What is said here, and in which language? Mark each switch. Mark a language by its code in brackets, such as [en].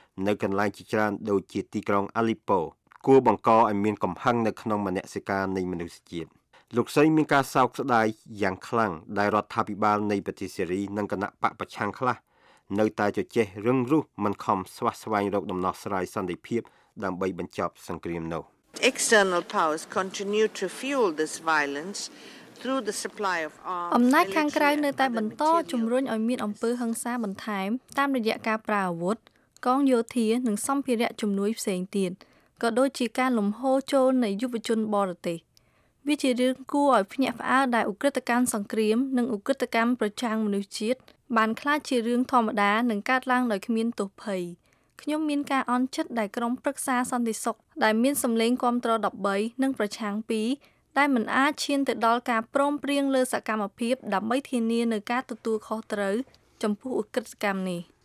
[km] នៅកន្លែងជាច្រើនដូចជាទីក្រុងអាលីប៉ូគួរបង្កឲ្យមានកំហឹងនៅក្នុងមនសិការនៃមនុស្សជាតិលោកស្រីមានការសោកស្ដាយយ៉ាងខ្លាំងដែលរដ្ឋាភិបាលនៃប្រទេសសេរីនិងគណៈបកប្រឆាំងខ្លះនៅតែជជែករឿងរុះមិនខំស្វះស្វែងរកដំណោះស្រាយសន្តិភាពដើម្បីបញ្ចប់សង្គ្រាមនោះ [en] External powers continue to fuel this violence through the supply of arms [km] អំណាចខាងក្រៅនៅតែបន្តជំរុញឲ្យមានអំពើហិង្សាបន្ថែមតាមរយៈការប្រើអាវុធកងយោធានិងសម្ភារៈជំនួយផ្សេងទៀតក៏ដូចជាការលំហូរចូលនៃយុវជនបរទេស វាជារឿងគួរឲ្យភ្ញាក់ផ្អើលដែលឧក្រិដ្ឋកម្មសង្គ្រាមនិងឧក្រិដ្ឋកម្មប្រឆាំងមនុស្សជាតិបានក្លាយជារឿងធម្មតានិងកើតឡើងដោយគ្មានទោសភ័យខ្ញុំមានការអន់ចិត្តដែលក្រុមប្រឹក្សាសន្តិសុខដែលមានសម្លេងគាំទ្រ13និងប្រឆាំង2ដែលមិនអាចឈានទៅដល់ការព្រមព្រៀងលើសកម្មភាពដើម្បីធានានូវការទទួលខុសត្រូវចំពោះឧក្រិដ្ឋកម្មនេះ